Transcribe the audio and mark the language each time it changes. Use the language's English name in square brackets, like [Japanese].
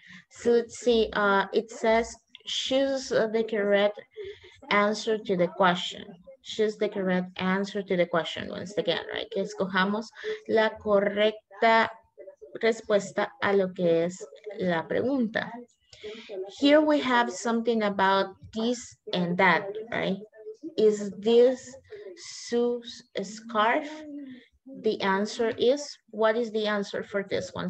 [English] So let's see, it says choose the correct answer to the question. choose the correct answer to the question once again, right? [Spanish] Que escojamos la correcta respuesta a lo que es la pregunta. [English] Here we have something about this and that, right? Is this Sue's scarf? The answer is, what is the answer for this one?